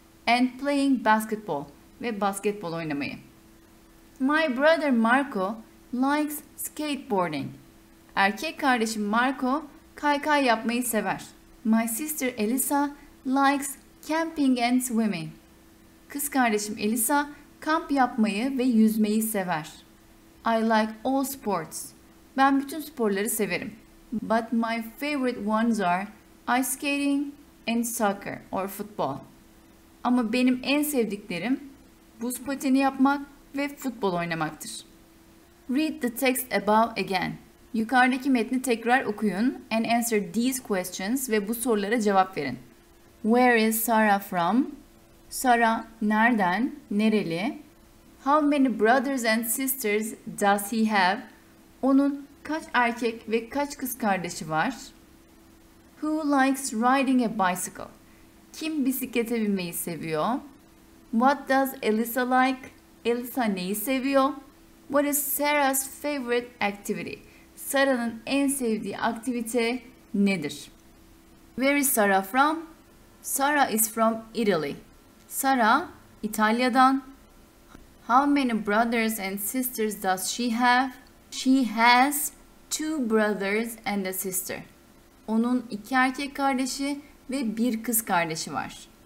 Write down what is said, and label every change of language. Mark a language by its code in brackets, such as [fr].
[en] And playing basketball [tr] ve basketbol oynamayı. [en] My brother Marco likes skateboarding. [tr] Erkek kardeşim Marco kaykay yapmayı sever. [en] My sister Elisa likes camping and swimming. [tr] Kız kardeşim Elisa kamp yapmayı ve yüzmeyi sever. [en] I like all sports. [tr] Ben bütün sporları severim. [en] But my favorite ones are ice skating and soccer or football. [tr] Ama benim en sevdiklerim buz pateni yapmak ve futbol oynamaktır. [en] Read the text above again. [tr] Yukarıdaki metni tekrar okuyun [en] and answer these questions [tr] ve bu sorulara cevap verin. [en] Where is Sarah from? [tr] Sarah nereden, nereli? [en] How many brothers and sisters does he have? [tr] Onun kaç erkek ve kaç kız kardeşi var? [en] Who likes riding a bicycle? [tr] Kim bisiklete binmeyi seviyor? [en] What does Elisa like? [tr] Elisa neyi seviyor? [en] What is Sarah's favorite activity? [tr] Sarah'ın en sevdiği aktivite nedir? [en] Where is Sarah from? Sarah is from Italy. [tr] Sarah, İtalya'dan. [en] How many brothers and sisters does she have? She has two brothers and a sister. [tr] Onun iki erkek kardeşi ve bir kız kardeşi var.